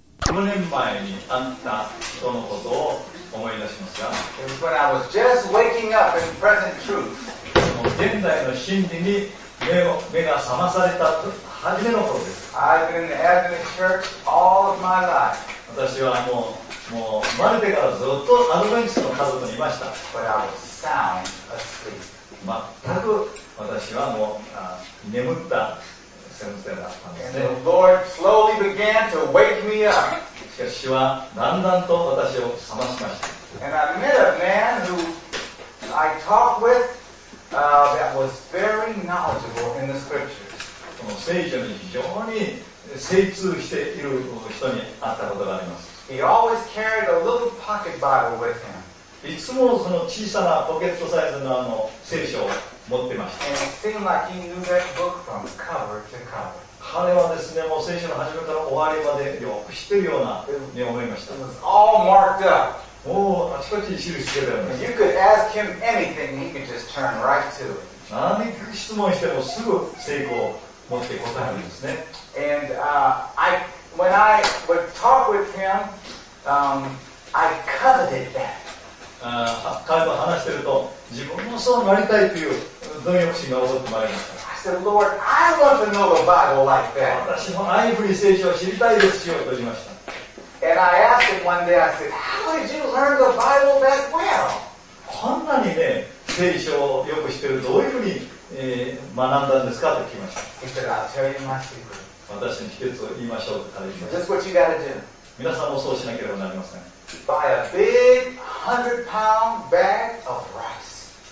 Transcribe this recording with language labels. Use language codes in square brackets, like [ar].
[ja] 数年前にあった人のことを思い出しますか？ [en] When I was just waking up in present truth. [ja] その現在の真理に目が覚まされた初めのことです。 [en] I've been having a church all of my life. [ja] 私はもう生まれてからずっとアドベンチストの家族にいました。 [en] But I was sound asleep. [ja] 全く私はもう眠った。 [en] And the Lord slowly began to wake me up. [ja] しかし、はだんだんと私を覚ましました。 [en] And I met a man who I talked with, that was very knowledgeable in the scriptures. [ja] この聖書に非常に精通している人に会ったことがあります。 [en] He always carried a little pocket Bible with him. [ja] いつもその小さなポケットサイズの聖書を持ってました。 [en] And it seemed like he knew that book from cover to cover. [ja] 彼はですね、もう聖書の始めから終わりまでよく知ってるように思いました。 [en] It was all marked up. [ja] もうあちこちに記してるんです。 [en] You could ask him anything, he could just turn right to it. [ja] 何か質問してもすぐ成功を持って答えるんですね。 [en] And when I would talk with him, I coveted that. [ja] 彼と話していると自分もそうなりたいという貪欲心が起こってまいりました。 [en] I said, Lord, I want to know the Bible like that. [ja] 私もアイブリー聖書を知りたいですよと言いました。 [en] And I asked him one day, I said, How did you learn the Bible that well? [ja] こんなにね、聖書をよく知っているどういうふうに、学んだんですかと聞きました。 [en] He said, I'll tell you my secret. [ja] 私の秘訣を言いましょうと彼に言いました。 [en] Just what you gotta do. [ja] 皆さんもそうしなければなりません。 [en] Buy a big 100-pound bag of rice.